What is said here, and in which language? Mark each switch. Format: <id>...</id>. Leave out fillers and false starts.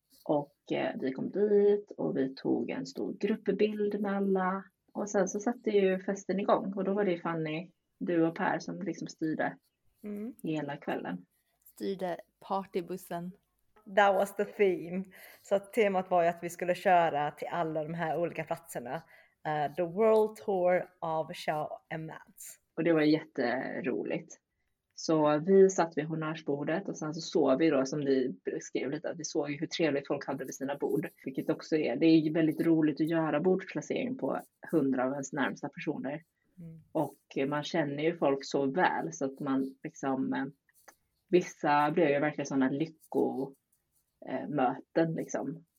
<sv>Och vi kom dit och vi tog en stor gruppbild med alla. Och sen så satte ju festen igång och då var det Fanny, du och Per som liksom styrde hela kvällen. Styrde partybussen.</sv> <en>That was the theme.</en> <sv>Så temat var ju att vi skulle köra till alla de här olika platserna.</sv> <en>The World Tour of Shao and Mads.</en> <sv>Och det var jätteroligt. Så vi satt vid honnörsbordet och sen så såg vi då, som ni skrev lite, att vi såg hur trevligt folk hade vid sina bord. Vilket också är, det är väldigt roligt att göra bordsplacering på 100 av ens närmsta personer. Mm. Och man känner ju folk så väl så att man liksom, vissa blev ju verkligen sådana lyckomöten liksom.</sv>